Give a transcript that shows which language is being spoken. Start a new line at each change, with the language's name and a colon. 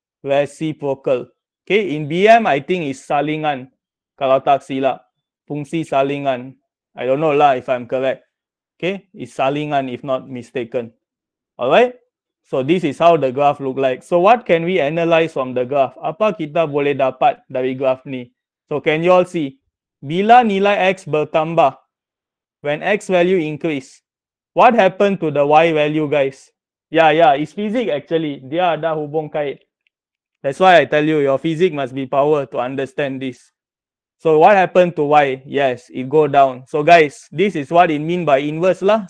English: Reciprocal. Okay, in BM, I think it's salingan.
Malay: Kalau tak silap. Fungsi salingan.
English: I don't know lah if I'm correct. Okay, it's salingan if not mistaken. Alright, so this is how the graph look like. So what can we analyze from the graph?
Malay: Apa kita boleh dapat dari graph ni?
English: So can you all see?
Malay: Bila nilai X bertambah,
English: when X value increase, what happened to the Y value, guys? Yeah, it's physics actually.
Malay: Dia ada hubung kait.
English: That's why I tell you, your physics must be power to understand this. So what happened to Y? Yes, it go down. So guys, this is what it mean by inverse lah.